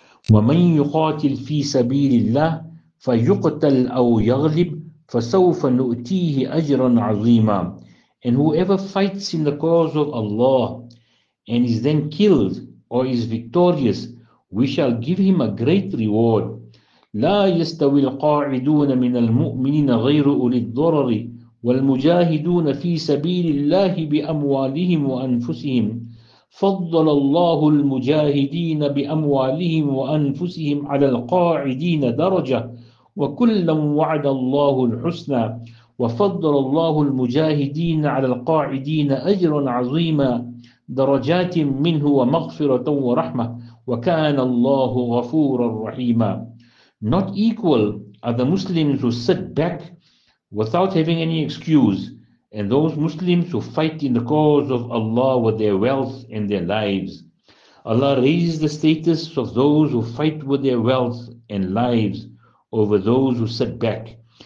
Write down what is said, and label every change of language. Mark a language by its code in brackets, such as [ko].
[ar] وَمَنْ يُقَاتِلْ فِي سَبِيلِ اللَّهِ فَيُقْتَلْ أَوْ يَغْلِبْ فَسَوْفَ نُؤْتِيهِ أَجْرًا عَظِيمًا. [en] And whoever fights in the cause of Allah and is then killed or is victorious, we shall give him a great reward. [ar] لا يستوي القاعدون من المؤمنين غير أولي الضرر والمجاهدون في سبيل الله بأموالهم وأنفسهم فضل الله المجاهدين بأموالهم وأنفسهم على القاعدين درجة وكلا وعد الله الحسنى وفضل الله المجاهدين على القاعدين أجرا عظيما درجات منه ومغفرة ورحمة وكان الله غفورا رحيما. [en] Not equal are the Muslims who sit back without having any excuse, and those Muslims who fight in the cause of Allah with their wealth and their lives. Allah raises the status of those who fight with their wealth and lives over those who sit back.